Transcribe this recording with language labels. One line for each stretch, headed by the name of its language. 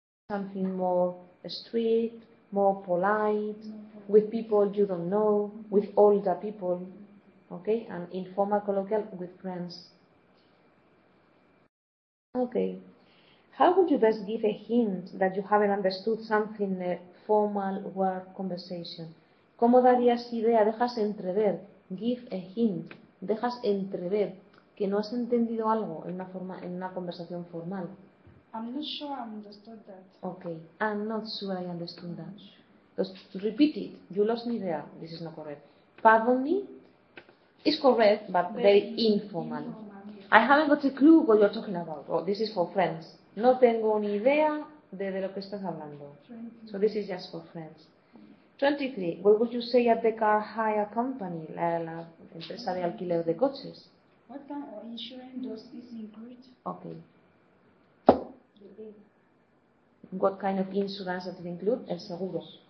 English: Something more strict, more polite, with people you don't know, with older people, okay, and informal colloquial with friends. Okay, how would you best give a hint that you haven't understood something in a formal work conversation?
Spanish: ¿Cómo darías idea? Dejas entrever.
English: Give a hint.
Spanish: Dejas entrever que no has entendido algo en una forma, en una conversación formal.
English: I'm not sure I understood that. Okay, I'm not sure I understood that. Just repeat it. You lost me there. This is not correct. Pardon me. It's correct, but very informal. I haven't got a clue what you're talking about. Oh, this is for friends.
Spanish: No tengo ni idea de lo que estás hablando.
English: So this is just for friends. 23. What would you say at the car hire company,
Spanish: la empresa de alquiler de coches?
English: What kind of insurance does this include? Okay. What kind of insurance does it include?
Spanish: El seguro.